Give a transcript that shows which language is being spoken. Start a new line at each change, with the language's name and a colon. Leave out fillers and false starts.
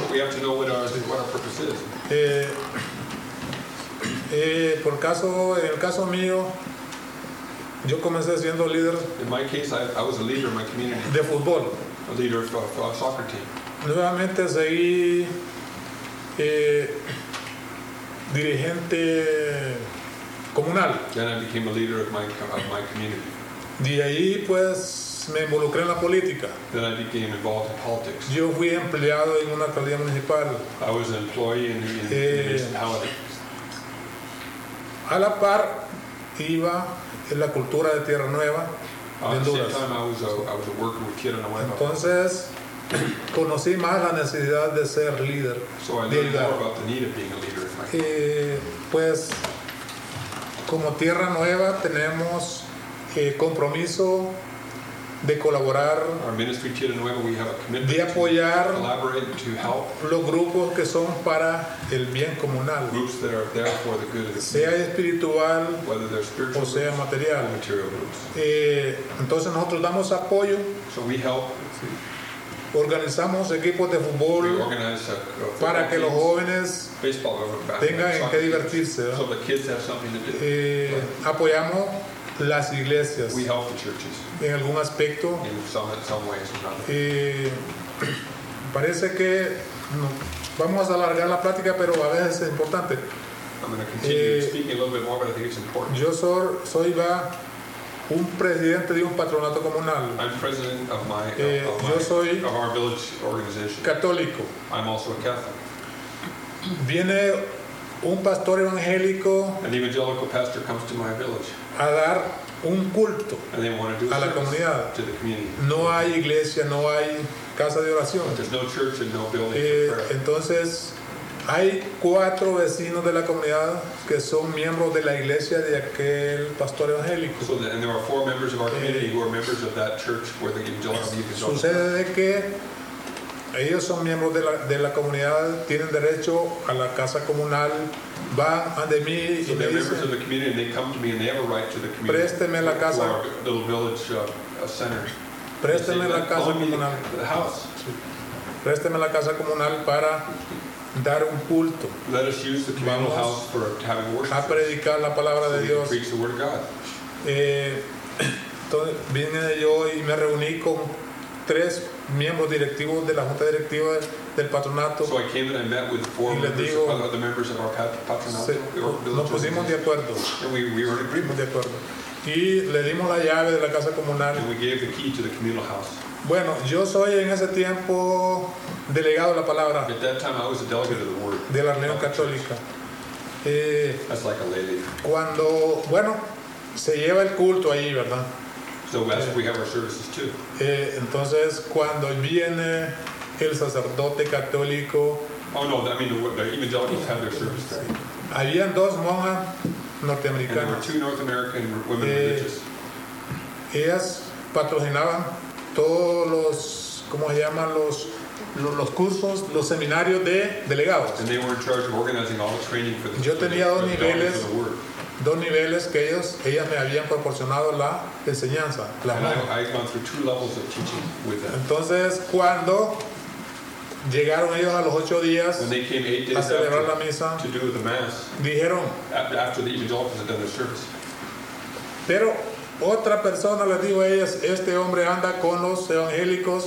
English: We have to know what our purpose is.
Spanish: En el caso mío, yo comencé siendo líder.
English: In my case, I was a leader in my community.
Spanish: De fútbol.
English: A leader of a soccer team.
Spanish: Nuevamente seguí dirigente comunal.
English: Then I became a leader of my community.
Spanish: De ahí, pues, me involucré en la política.
English: Then I became involved in politics.
Spanish: Yo fui empleado en una alcaldía municipal.
English: I was an employee in municipality.
Spanish: A la par, iba en la cultura de Tierra Nueva, de Honduras.
English: At the same time, I was a worker with Tierra Nueva.
Spanish: Entonces, conocí más la necesidad de ser líder.
English: So I learned more about the need of being a leader.
Spanish: Pues... como Tierra Nueva tenemos compromiso de colaborar,
English: our ministry Tierra Nueva, we have a commitment
Spanish: de apoyar
English: to collaborate, to help
Spanish: los grupos que son para el bien comunal,
English: groups that are there for the good of the
Spanish: sea, sea espiritual,
English: whether they're spiritual
Spanish: o sea material,
English: or material groups.
Spanish: Entonces nosotros damos apoyo,
English: so we help,
Spanish: organizamos equipos de fútbol para que los jóvenes tengan en qué divertirse,
English: so the kids have something to do.
Spanish: Apoyamos las iglesias,
English: we help the churches
Spanish: en algún aspecto,
English: in some ways or another.
Spanish: Parece que no, vamos a alargar la plática, pero a veces es importante.
English: I'm going to continue speaking a little bit more, but I think it's important.
Spanish: Yo soy un presidente de un patronato comunal.
English: I'm president of our village organization.
Spanish: Católico.
English: I'm also a Catholic.
Spanish: Viene un pastor evangélico,
English: an evangelical pastor comes to my village,
Spanish: a dar un culto,
English: and they want to do
Spanish: a la comunidad,
English: to the community.
Spanish: No hay iglesia, no hay casa de oración.
English: But there's no church and no building.
Spanish: Entonces hay cuatro vecinos de la comunidad que son miembros de la iglesia de aquel pastor evangélico.
English: So and there are four members of our community who are members of that church where the evangelical community is.
Spanish: Sucede de que ellos son miembros de la comunidad, tienen derecho a la casa comunal, van a de mí y me dicen,
English: members of the community and they come to me and they have a right to the community.
Spanish: Présteme la casa.
English: The village center.
Spanish: Présteme la casa comunal.
English: The house.
Spanish: Présteme la casa comunal para dar un culto.
English: Let us use the communal
Spanish: Vamos
English: house for having worship.
Spanish: A predicar la palabra
English: so
Spanish: de Dios.
English: Preach the word of God.
Spanish: Entonces vine yo y me reuní con tres miembros directivos de la junta directiva del patronato.
English: So I came and I met with four members,
Spanish: digo,
English: of the members of our patronato. Se,
Spanish: nos pusimos de acuerdo.
English: And we were agreed.
Spanish: De acuerdo. Y le dimos la llave de la casa comunal.
English: And we gave the key to the communal house.
Spanish: Bueno, yo soy en ese tiempo delegado de la palabra.
English: At that time I was a delegate of the word.
Spanish: De la reunión católica.
English: That's like a lady.
Spanish: Cuando, bueno, se lleva el culto ahí, ¿verdad?
English: So that's we have our services too.
Spanish: Entonces, cuando viene el sacerdote católico.
English: Oh no, I mean the evangelicals have their service there.
Spanish: Habían dos monjas norteamericanas.
English: And there were two North American women religious.
Spanish: Ellas patrocinaban todos los, ¿cómo se llaman? Los cursos, los seminarios de delegados.
English: And they were in charge of organizing all the training for the
Spanish: Yo tenía dos niveles. Dos niveles que ellas me habían proporcionado la enseñanza.
English: I've gone through two levels of teaching with them.
Spanish: Entonces, cuando llegaron ellos a los ocho días a celebrar la misa,
English: to do the mass,
Spanish: dijeron,
English: after the evangelicals had done their service.
Spanish: Pero otra persona les dijo a ellas, este hombre anda con los evangélicos.